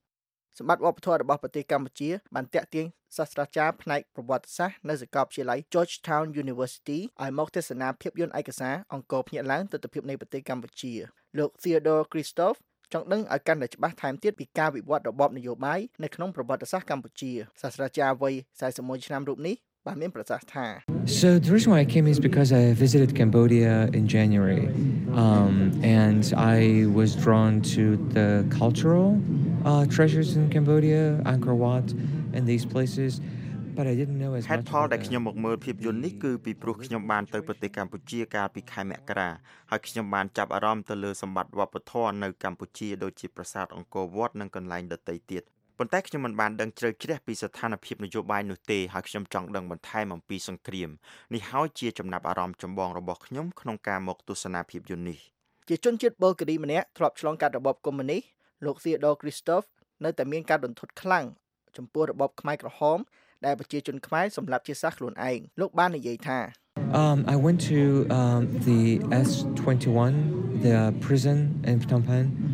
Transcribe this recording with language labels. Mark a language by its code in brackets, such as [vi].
[km] សម្បត្តិវប្បធម៌របស់ប្រទេសកម្ពុជាបានទាក់ទាញសាស្ត្រាចារ្យផ្នែកប្រវត្តិសាស្ត្រនៅសាកលវិទ្យាល័យ Georgetown University ឲ្យមកទស្សនាភាពយន្តឯកសារអង្គរភ្នាក់ឡើងទិដ្ឋភាពនៃប្រទេសកម្ពុជាលោក Theodore Christophe ចង់ដឹងឲ្យកាន់តែច្បាស់ថែមទៀតពីការវិវត្តរបបនយោបាយនៅក្នុងប្រវត្តិសាស្ត្រកម្ពុជាសាស្ត្រាចារ្យវ័យ41ឆ្នាំរូបនេះបានមានប្រសាសន៍ថា [en] So the reason why I came is because I visited Cambodia in January and I was drawn to the cultural treasures in Cambodia Angkor Wat and these places but I didn't know as much [km] ហេតុផលដែលខ្ញុំមកមើលភាពយន្តនេះគឺពីព្រោះខ្ញុំបានទៅប្រទេសកម្ពុជាកាលពីខែមករាហើយខ្ញុំបានចាប់អារម្មណ៍ទៅលើសម្បត្តិវប្បធម៌នៅកម្ពុជាដូចជាប្រាសាទអង្គរវត្តនិងកន្លែងដទៃទៀត ប៉ុន្តែខ្ញុំមិនបានដឹងជ្រៅជ្រះពីស្ថានភាពនយោបាយនោះទេហើយខ្ញុំចង់ដឹងបន្ថែមអំពីសង្គ្រាមនេះហើយជាចំណាប់អារម្មណ៍ចម្បងរបស់ខ្ញុំក្នុងការមកទស្សនាភាពយន្តនេះ ជាជនជាតិប៊ឺហ្គារីម្នាក់ធ្លាប់ឆ្លងកាត់របបកុម្មុយនីសលោកសៀដូគ្រីស្តូហ្វនៅតែមានការបន្ទុតខ្លាំងចំពោះរបបខ្មែរក្រហមដែលប្រជាជនខ្មែរសម្លាប់ជាសះខ្លួនឯងលោកបាននិយាយថា [en] I went to the S21 the prison in Phnom Penh